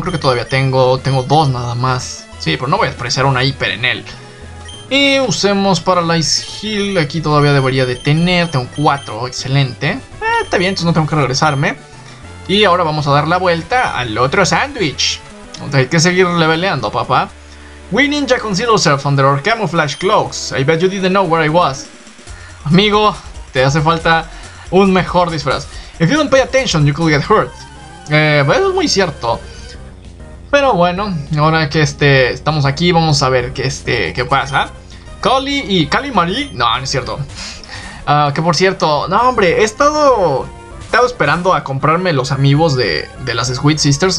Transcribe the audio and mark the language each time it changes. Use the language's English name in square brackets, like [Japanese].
[Spanish] Creo que todavía tengo 2 nada más. Sí, pero no voy a expresar una hiper en él. Y usemos Paralyze Heal. Aquí todavía debería de tener. Tengo 4, excelente. Está bien, entonces no tengo que regresarme. Y ahora vamos a dar la vuelta al otro sándwich. Hay que seguir leveleando, papá. [English] We ninja conceal ourselves under our camouflage cloaks. I bet you didn't know where I was. [Spanish] Amigo, te hace falta un mejor disfraz. [English] If you don't pay attention, you could get hurt. [Spanish] Eso es muy cierto. Pero bueno, ahora que estamos aquí, vamos a ver qué pasa. Kali y Kalimari. No, no es cierto. Que por cierto, no, hombre, he estado esperando a comprarme los amigos de las Sweet Sisters.